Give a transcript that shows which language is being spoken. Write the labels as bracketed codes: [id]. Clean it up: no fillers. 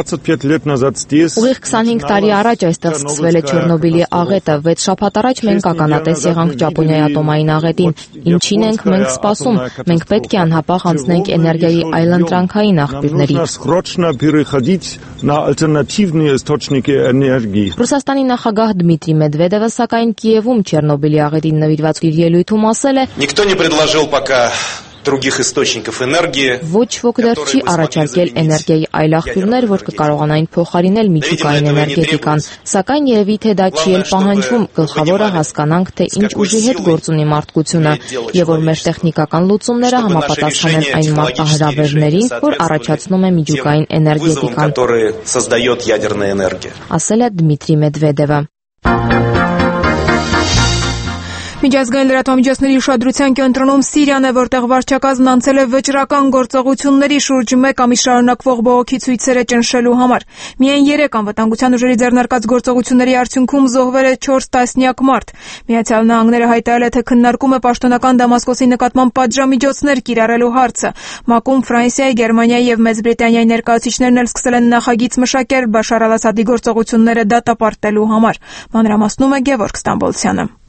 [hy] Ուղիղ 25 տարի առաջ այստեղ սկսվել է Չեռնոբիլի աղետը, 6 շաբաթ առաջ մենք ականատես եղանք Ճապոնիայի ատոմային աղետին։ Ինչին ենք մենք սպասում, մենք պետք է անհապաղ անցնենք էներգիայի այլընտրանքային աղբյուրների։ Ռուսաստանի նախագահ Դմիտրի Մեդվեդևը, սակայն, Կիևում Չեռնոբիլի աղետին նվիրված իր ելույթում ասել է. [ru] Никто не предложил пока других источников энергии. [hy] Ոչ ոք դեռ չի առաջարկել էներգիայի այլ աղբյուրներ, որ կկարողանային փոխարինել միջուկային էներգետիկան, սակայն երևի թե դա չի էլ պահանջվում, գլխավորը հասկանանք, թե ինչ ուժի հետ գործունի մարդկությունը, եւ որ մեր տեխնիկական լուծումները համապատասխանեն այն մարտահրավերներին, որ առաջացնում է միջուկային էներգետիկան, [ru] который создаёт ядерная энергия. [hy] Ասել է Դմիտրի Մեդվեդևը։ Միջազգային լրատվամիջոցների ուշադրության կենտրոնում Սիրիան է, որտեղ վարչակազմն անցել է վճռական գործողությունների շուրջ 1 ամիս շարունակվող բողոքի ցույցերը ճնշելու համար։ Միայն 3 անվտանգության ուժերի ձեռնարկած գործողությունների արդյունքում զոհվել է 4 տասնյակ մարդ։ Միացյալ Նահանգները հայտարարել է, թե քննարկում է պաշտոնական Դամասկոսի նկատմամբ պատժամիջոցներ կիրառելու հարցը։ Մակում Ֆրանսիայի, Գերմանիայի և Մեծ Բրիտանիայի ներկայացուցիչներն էլ սկսել են նախագիծ մշակել Բաշար ալ-Ասադի գործողությունները դատապարտելու համար։ Մանրամասնում է Գևորգ Ստամբոլցյանը։